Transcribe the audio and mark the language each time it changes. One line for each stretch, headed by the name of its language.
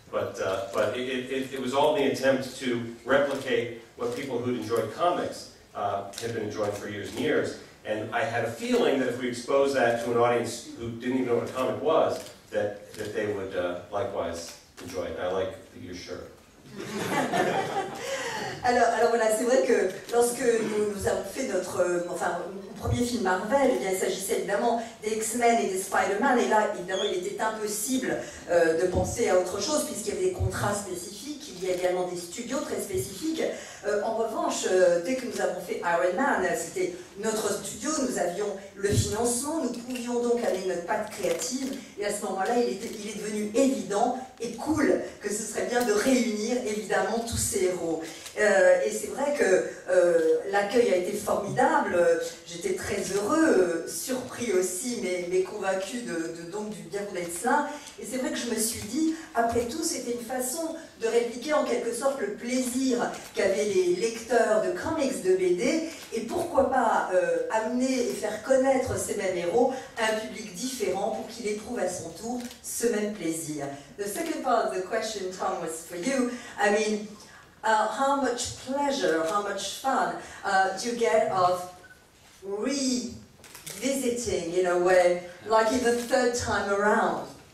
English: But it was all in the attempt to replicate what people who'd enjoyed comics had been enjoying for years and years. And I had a feeling that if we exposed that to an audience who didn't even know what a comic was, that they would likewise enjoy it. I like that you're sure.
French: alors voilà, c'est vrai que lorsque nous avons fait mon premier film Marvel, eh bien, il s'agissait évidemment des X-Men et des Spider-Man, et là, évidemment, il était impossible de penser à autre chose, puisqu'il y avait des contrats spécifiques, il y a également des studios très spécifiques. En revanche, dès que nous avons fait Iron Man, c'était notre studio, nous avions le financement, nous pouvions donc aller notre patte créative, et à ce moment-là, il est devenu évident et cool que ce serait bien de réunir évidemment tous ces héros. Et c'est vrai que l'accueil a été formidable, j'étais très heureux, surpris aussi, mais convaincu donc du bien-être de cela. Et c'est vrai que je me suis dit, après tout, c'était une façon de répliquer en quelque sorte le plaisir qu'avaient les lecteurs de comics de BD, et pourquoi pas amener et faire connaître ces mêmes héros à un public différent pour qu'il éprouve à son tour ce même plaisir.
English: The second part of the question, Tom, was for you. I mean, how much pleasure, how much fun do you get of revisiting, in a way, like even third time around?